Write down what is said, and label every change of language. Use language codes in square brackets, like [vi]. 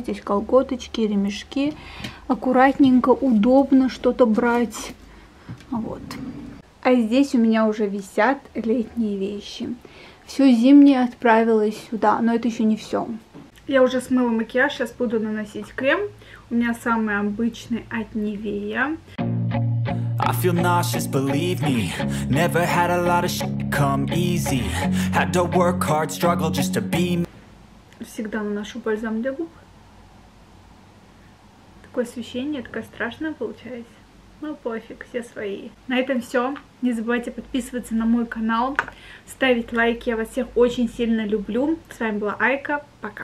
[ru] Здесь колготочки, ремешки. Аккуратненько, удобно что-то брать. Вот. А здесь у меня уже висят летние вещи. Все зимнее отправилось сюда, но это еще не все. Я уже смыла макияж, сейчас буду наносить крем. У меня самый обычный от Nivea. [en] I feel nauseous, believe me. Never had a lot of shit come easy. Had to work hard, struggle just to be me. [ru] Всегда наношу бальзам для губ. Такое освещение, такое страшное получается. Ну пофиг, все свои. На этом все. Не забывайте подписываться на мой канал, ставить лайки. Я вас всех очень сильно люблю. С вами была Айка. Пока.